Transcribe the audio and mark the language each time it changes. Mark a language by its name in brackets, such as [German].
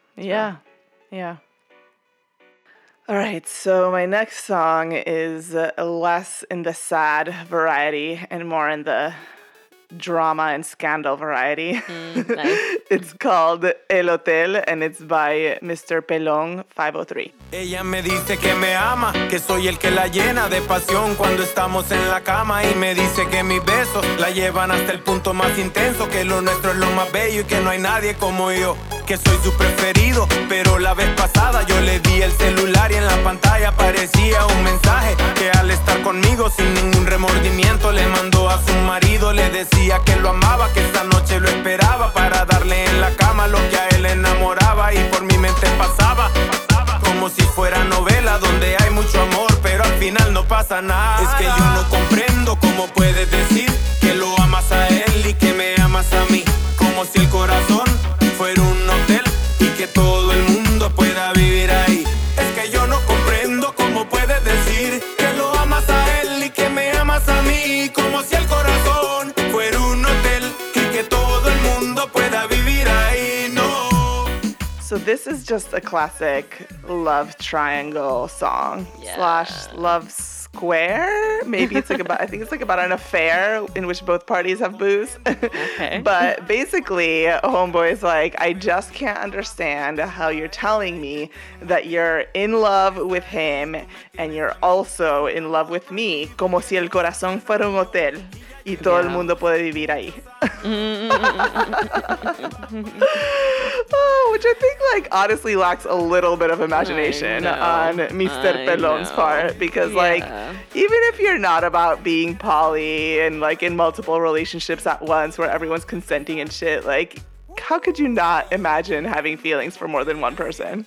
[English] yeah, well. Yeah. All right. So my next song is less in the sad variety and more in the drama and scandal variety. Nice. It's called El Hotel and it's by Mr. Pelón 503. [Spanish] Ella me dice que me ama, que soy el que la llena de pasión cuando estamos en la cama y me dice que mis besos la llevan hasta el punto más intenso, que lo nuestro es lo más bello y que no hay nadie como yo, que soy su preferido, pero la vez pasada yo le di el celular y en la pantalla aparecía un mensaje que al estar conmigo sin ningún remordimiento le mandó a su marido, le decía que lo amaba, que esta noche lo esperaba para darle en la cama lo que a él enamoraba y por mi mente pasaba, como si fuera novela donde hay mucho amor pero al final no pasa nada. Es que yo no comprendo cómo puedes decir que lo amas a él y que me amas a mí, como si el corazón fuera un hotel y que todo el mundo pueda vivir ahí. Es que yo no comprendo cómo puedes decir que lo amas a él y que me amas a mí, como si el corazón fuera un hotel y que todo el mundo pueda vivir ahí. No. [English] So this is just a classic love triangle song, yeah. Slash love square. Maybe it's like about, I think it's like about an affair in which both parties have booze. Okay. But basically, homeboy is like, I just can't understand how you're telling me that you're in love with him and you're also in love with me. [Spanish] Como si el corazón fuera un hotel y todo [English] yeah. [Spanish] el mundo puede vivir ahí. [English] Oh, which I think like honestly lacks a little bit of imagination on Mr. Pelón's part, because yeah. like even if you're not about being poly and like in multiple relationships at once where everyone's consenting and shit, like how could you not imagine having feelings for more than one person?